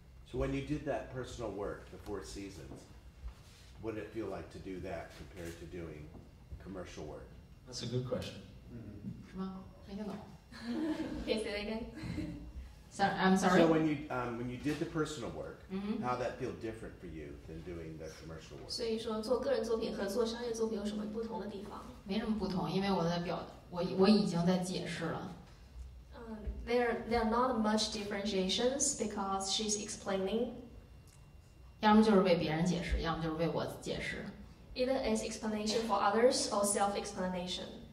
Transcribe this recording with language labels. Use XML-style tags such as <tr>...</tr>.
<en>So when you did that personal work, the Four Seasons, what did it feel like to do that compared to doing commercial work? That's a good question. Can you say that again? I'm sorry. So when you did the personal work, mm-hmm. how did that feel different for you than doing the commercial work?</en> <zh>所以说做个人作品和做商业作品有什么不同的地方？没什么不同，因为我已经在解释了。</zh> <en>There are not much differentiations because she's explaining.</en> <zh>要么就是为别人解释，要么就是为我解释。</zh> <en>Either is explanation for others or self-explanation.</en>